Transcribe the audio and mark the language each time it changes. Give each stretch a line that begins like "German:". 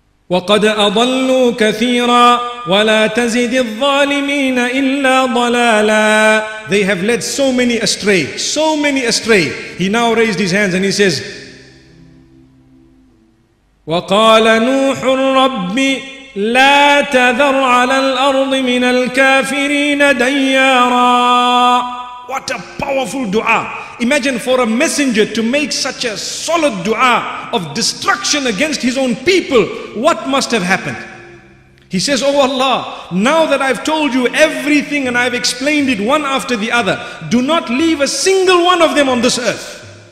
Arabic: وَقَدْ أَضَلُّوا كَثِيرًا وَلَا تَزِدِ الظَّالِمِينَ إِلَّا ضَلَالًا.
English: They have led so many astray, so many astray. He now raised his hands and he says,
Arabic: وَقَالَ نُوحُ الرَّبِّ لا تذر على الأرض من الكافرين ديارا.
English: What a powerful dua. Imagine for a messenger to make such a solid dua of destruction against his own people. What must have happened? He says, oh Allah, now that I've told you everything and I've explained it one after the other, do not leave a single one of them on this earth.